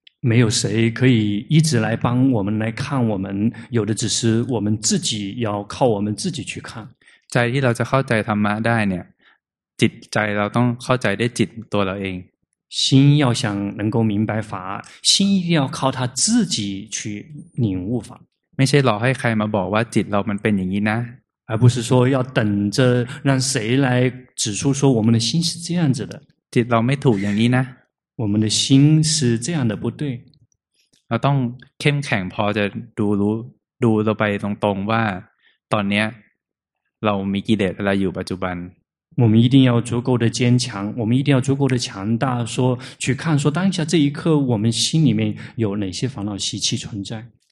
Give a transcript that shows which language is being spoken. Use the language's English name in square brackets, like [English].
[Chinese] 没有谁可以一直来帮我们来看我们有的只是我们自己要靠我们自己去看 [Thai] ใจที่เราจะเข้าใจธรรมะได้เนี่ยจิตใจเราต้องเข้าใจได้จิตตัวเราเอง [Chinese] 心要想能够明白法心一定要靠他自己去领悟法 [Thai] ไม่ใช่รอให้ใครมาบอกว่าจิตเรามันเป็นอย่างนี้นะ [Chinese] 而不是说要等着让谁来指出说我们的心是这样子的 [Thai] จิตเราไม่ถูกอย่างนี้นะ [Chinese] 我们的心是这样的不对 [Thai] เราต้องเข้มแข็งพอจะดูรู้ดูเราไปตรงๆว่าตอนนี้เรามีกิเลสอะไรอยู่ปัจจุบัน [Chinese] 我们一定要足够的坚强我们一定要足够的强大说去看说当下这一刻我们心里面有哪些烦恼习气存在